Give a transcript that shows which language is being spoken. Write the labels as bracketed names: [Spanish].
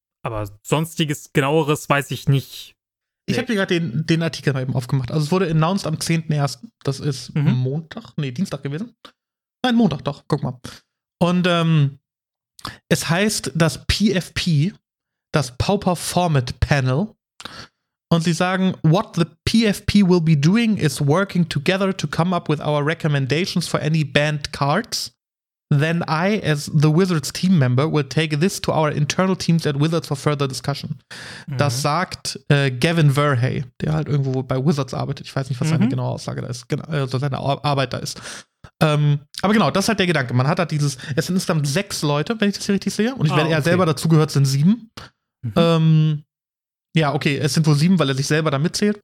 [German] Aber sonstiges, genaueres weiß ich nicht. Nee. Ich habe hier gerade den Artikel mal eben aufgemacht. Also es wurde announced am 10.01. Das ist Montag, Dienstag gewesen. Nein, Montag, doch, guck mal. Und es heißt das PFP, das Pauper Format Panel. Und sie sagen, [English] what the PFP will be doing is working together to come up with our recommendations for any banned cards. Then I, as the Wizards team member, will take this to our internal teams at Wizards for further discussion. [German] Das sagt Gavin Verhey, der halt irgendwo bei Wizards arbeitet. Ich weiß nicht, was seine genaue Aussage da ist. Also seine Arbeit da ist. Aber genau, das ist halt der Gedanke. Man hat halt dieses, es sind insgesamt 6 Leute, wenn ich das hier richtig sehe. Und ich werde eher selber dazugehört, sind 7. Es sind wohl 7, weil er sich selber da mitzählt.